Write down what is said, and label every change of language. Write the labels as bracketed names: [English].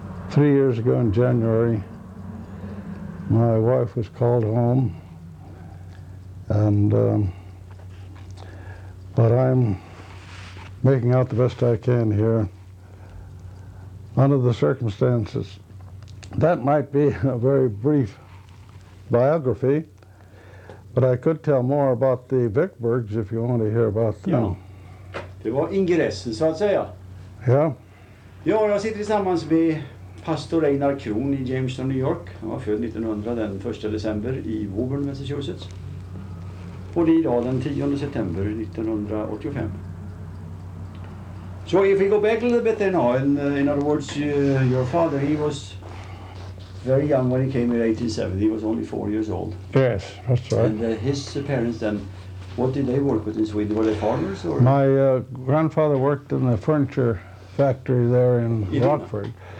[English] Three years ago in January, my wife was called home, and but I'm making out the best I can here under the circumstances. That might be a very brief biography, but I could tell more about the Vicbergs if you want to hear about them. [Swedish] Ja. Det var ingressen, så att säga. Ja. Ja, jag sitter tillsammans med pastor Einar Kron i Jamestown, New York. Han var född 1900 den 1 december i Woburn, Massachusetts. Och det är idag den 10 september 1985. [English] So if we go back a little bit, then, in other words, your father, he was very young when he came in 1870. He was only 4 years old. Yes, that's right. And his parents then, what did they work with in Sweden? Were they farmers? Or? My grandfather worked in the furniture factory there in Rockford.